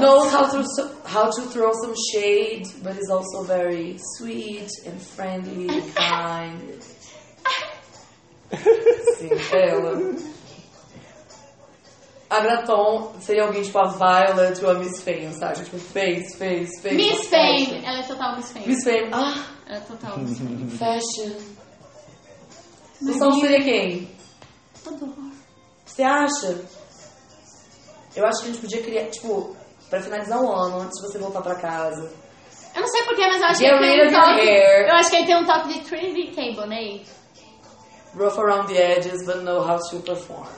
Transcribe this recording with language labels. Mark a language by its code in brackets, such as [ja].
[en] Knows how to throw some shade, but is also very sweet and friendly and kind. [pt] Sim, é ela. A Graton seria alguém tipo a Violet ou a Miss Fame, sabe? Tipo, Fame. Miss Fame. Ela é total Miss Fame. Miss Fame. Ah. Ela é total Miss Fame. Fashion. Então seria quem? Adoro. Você acha? Eu acho que a gente podia criar, tipo, pra finalizar o ano, antes de você voltar pra casa. Eu não sei porquê, mas eu acho que ele tem um top. Eu acho que ele tem um top de Trinity Cable, né? [en] Rough around the edges, but know how to perform.